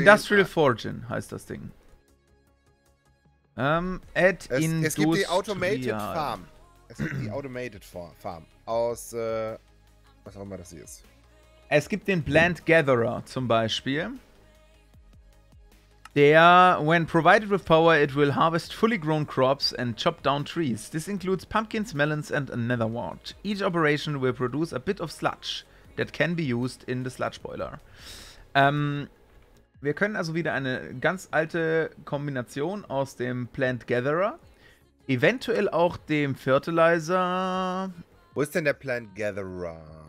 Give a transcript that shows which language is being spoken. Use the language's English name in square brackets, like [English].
[German] Industrial Forging heißt das Ding. Es gibt die Automated Farm. Es gibt die Automated Farm. Aus, was auch immer das hier ist. Es gibt den Plant Gatherer zum Beispiel. [English] Der, when provided with power, it will harvest fully grown crops and chop down trees. This includes pumpkins, melons and a nether wart. Each operation will produce a bit of sludge that can be used in the sludge boiler. [German] Wir können also wieder eine ganz alte Kombination aus dem Plant Gatherer, eventuell auch dem Fertilizer. Wo ist denn der Plant Gatherer?